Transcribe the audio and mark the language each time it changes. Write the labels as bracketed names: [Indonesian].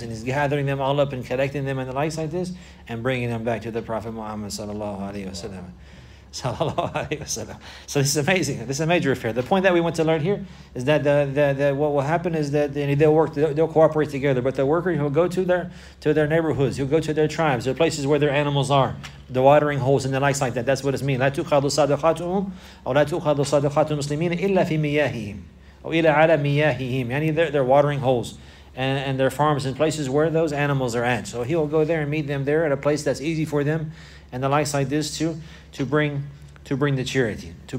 [English] And he's gathering them all up and collecting them and the likes like this and bringing them back to the Prophet Muhammad sallallahu alayhi wa sallam. So this is amazing. This is a major affair. The point that we want to learn here is that what will happen is that they'll cooperate together. But the worker, he'll go to their neighborhoods, he'll go to their tribes, their places where their animals are, the watering holes and the likes like that. That's what it means. [Arabic] لا تُخَذُ صَدَقَاتُهُمْ أَوْ لَا تُخَذُ صَدَقَاتُ الْمُسْلِمِينَ إِلَّا فِي مِيَاهِهِمْ أَوْ إِلَى عَلَى مِيَاهِهِمْ. [English] يعني their watering holes and their farms and places where those animals are at. So he'll go there and meet them there at a place that's easy for them and the likes like this to bring the charity.